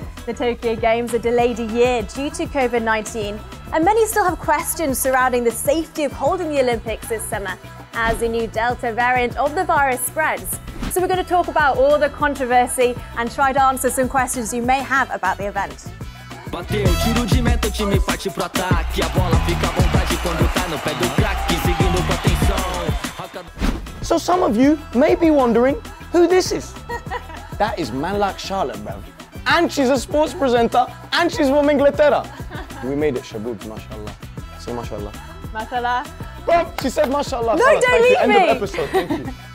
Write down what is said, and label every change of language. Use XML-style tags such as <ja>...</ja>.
<en>The Tokyo Games are delayed a year due to COVID-19, and many still have questions surrounding the safety of holding the Olympics this summer as the new Delta variant of the virus spreads. So we're going to talk about all the controversy and try to answer some questions you may have about the event.</en> <pt>Bateu, tiro de meta, o time parte pro ataque. A bola fica à vontade quando tá no pé do craque, seguindo com atenção.</pt> <en>So some of you may be wondering who this is. That is Manlike Charlotte, bro. And she's a sports presenter, and she's from Inglaterra. We made it, Shaboob, mashallah. Say mashallah. Mashallah. Bro, she said mashallah. No, don't leave me. End of episode, thank you.</en>